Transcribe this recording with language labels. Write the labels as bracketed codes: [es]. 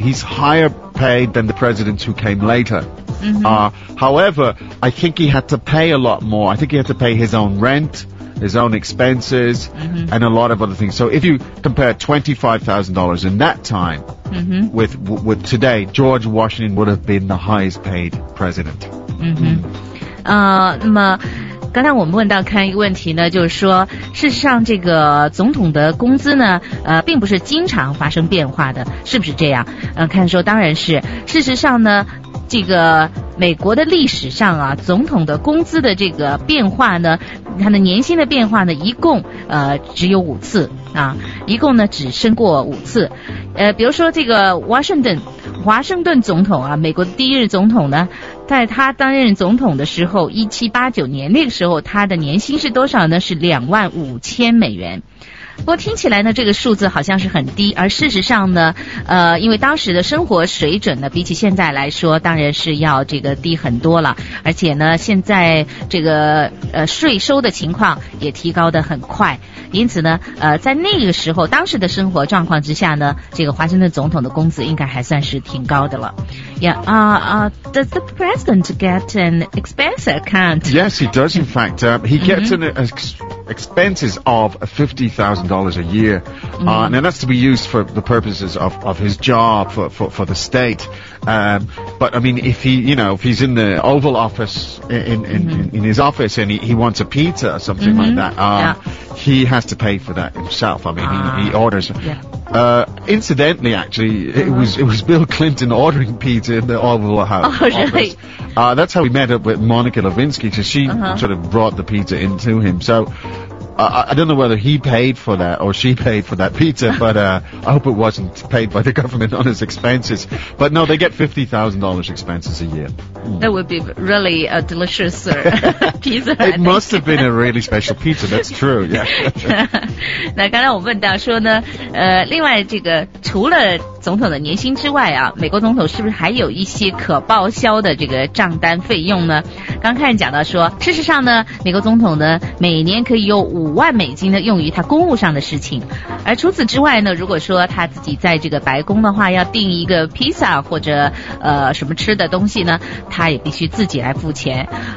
[en] He's higher paid than the presidents who came later. However, I think he had to pay a lot more. I think he had to pay his own rent, his own expenses, and a lot of other things. So if you compare $25,000 in that time with today, George Washington would have been the highest paid president. [zh] 那么刚才我们问到看一个问题呢，就是说事实上这个总统的工资呢并不是经常发生变化的，是不是这样？看说当然是，事实上呢，这个美国的历史上啊，总统的工资的这个变化呢，他的年薪的变化呢，一共只有5次啊，一共呢只升过5次。比如说这个 Washington 华盛顿总统啊，美国第一任总统呢，在他担任总统的时候，1789年那个时候他的年薪是多少呢？是$25,000。不过听起来呢，这个数字好像是很低，而事实上呢，因为当时的生活水准呢，比起现在来说，当然是要这个低很多了。而且呢，现在这个税收的情况也提高得很快，因此呢，在那个时候当时的生活状况之下呢，这个华盛顿总统的工资应该还算是挺高的了。 [en] Yeah, does the president get an expense account? Yes, he does. In fact, he gets an expenses of $50,000 a year, and that's to be used for the purposes of his job for the state. But I mean, if he, you know, if he's in the Oval Office in his office and he wants a pizza or something like that, he has to pay for that himself. I mean, he orders. Yeah. Incidentally, actually, it was Bill Clinton ordering pizza in the Oval House. Oh, really? That's how he met up with Monica Lewinsky, because she sort of brought the pizza in to him. So, I don't know whether he paid for that or she paid for that pizza, but I hope it wasn't paid by the government on his expenses. But no, they get $50,000 expenses a year. That would be really a delicious pizza. It must have been a really special pizza, that's true, yeah. [zh] 那刚才我问到说呢，另外这个除了总统的年薪之外啊，美国总统是不是还有一些可报销的这个账单费用呢？刚开始讲到说，事实上呢，美国总统呢每年可以用$50,000呢用于他公务上的事情，而除此之外呢，如果说他自己在这个白宫的话要订一个披萨或者什么吃的东西呢，他也必须自己来付钱。